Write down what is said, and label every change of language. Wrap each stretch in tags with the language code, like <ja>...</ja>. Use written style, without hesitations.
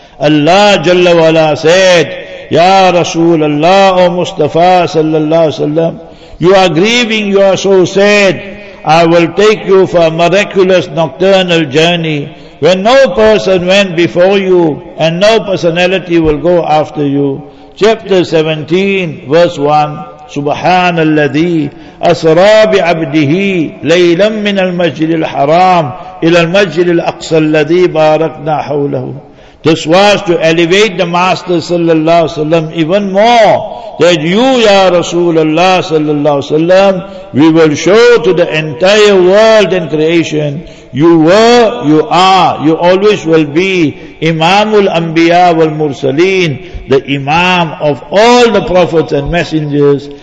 <en>Allah jalla wa ala said, Ya Rasulullah, O Mustafa sallallahu alayhi wa sallam, you are grieving, you are so sad. I will take you for a miraculous nocturnal journey. When no person went before you and no personality will go after you. Chapter 17, verse 1.</en> <ar>سبحان الذي أسرى بعبده ليلا من المسجد الحرام إلى المسجد الأقصى الذي باركنا حوله.</ar> <en>This was to elevate the Master sallallahu alaihi wasallam even more, that you, ya Rasulullah sallallahu alaihi wasallam, we will show to the entire world and creation, you were, you are, you always will be Imamul Anbiya wal Mursaleen, the Imam of all the prophets and messengers.</en>